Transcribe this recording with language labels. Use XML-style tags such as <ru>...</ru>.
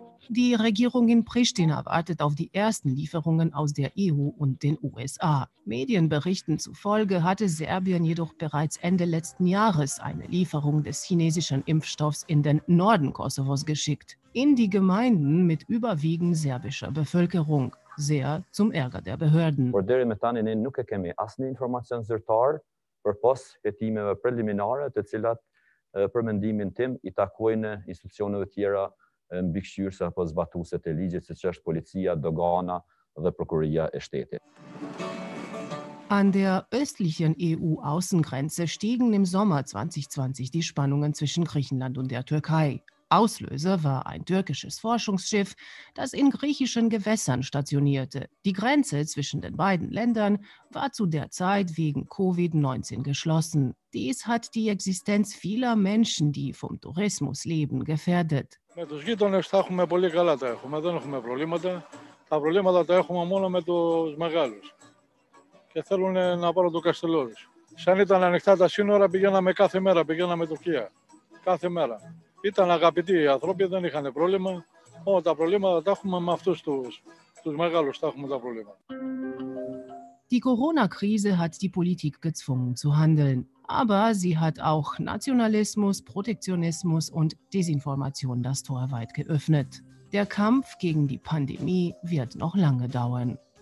<de>Die Regierung in Pristina wartet auf die ersten Lieferungen aus der EU und den USA. Medienberichten zufolge hatte Serbien jedoch bereits Ende letzten Jahres eine Lieferung des chinesischen Impfstoffs in den Norden Kosovos geschickt, in die Gemeinden mit überwiegend serbischer Bevölkerung, sehr zum Ärger der Behörden.</de> <sq>Por deri me tani ne nuk e kemi asnjë informacion zyrtar për pos hetimeve preliminare të cilat për mendimin tim i takojnë institucioneve tjera mbikëqyrëse apo zbatuese të ligjit, siç është policia, dogana dhe prokuroria e shtetit.</sq> <de>An der östlichen EU-Außengrenze stiegen im Sommer 2020 die Spannungen zwischen Griechenland und der Türkei. Auslöser war ein türkisches Forschungsschiff, das in griechischen Gewässern stationierte. Die Grenze zwischen den beiden Ländern war zu der Zeit wegen Covid-19 geschlossen. Dies hat die Existenz vieler Menschen, die vom Tourismus leben, gefährdet.</de> <el>Με τους γείτονες τα έχουμε πολύ καλά τα έχουμε, δεν έχουμε προβλήματα. Τα προβλήματα τα έχουμε μόνο με τους μεγάλους. Και θέλουν να πάρουν το Καστελόρις. Σαν ήταν ανοιχτά τα σύνορα πηγαίναμε κάθε μέρα, πηγαίναμε Τουρκία. Κάθε μέρα. Ήταν αγαπητοί οι άνθρωποι, δεν είχαν πρόβλημα. Όμως τα προβλήματα τα έχουμε με αυτούς τους μεγάλους τα έχουμε τα προβλήματα.</el> <de>Die Corona-Krise hat die Politik gezwungen zu handeln. Aber sie hat auch Nationalismus, Protektionismus und Desinformation das Tor weit geöffnet. Der Kampf gegen die Pandemie wird noch lange dauern.</de>